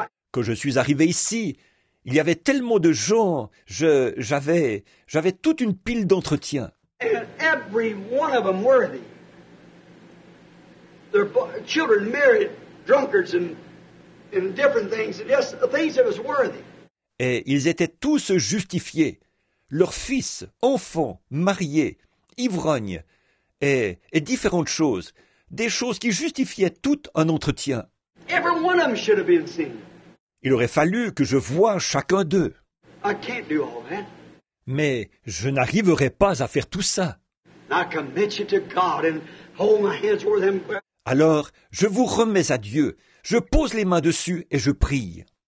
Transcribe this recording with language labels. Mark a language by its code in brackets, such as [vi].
[fr] Quand je suis arrivé ici, il y avait tellement de gens, j'avais toute une pile d'entretiens. [en] And every one of them worthy. Their children married drunkards and different things. Yes, things that was worthy. [fr] Et ils étaient tous justifiés. Leurs fils, enfants, mariés, ivrognes, et différentes choses. Des choses qui justifiaient tout un entretien. [en] Every one of them should have been seen. [fr] Il aurait fallu que je voie chacun d'eux. [en] I can't do all that. [fr] Mais je n'arriverai pas à faire tout ça. [en] I commit you to God and hold my hands over them. [fr] Alors, je vous remets à Dieu. Je pose les mains dessus et je prie.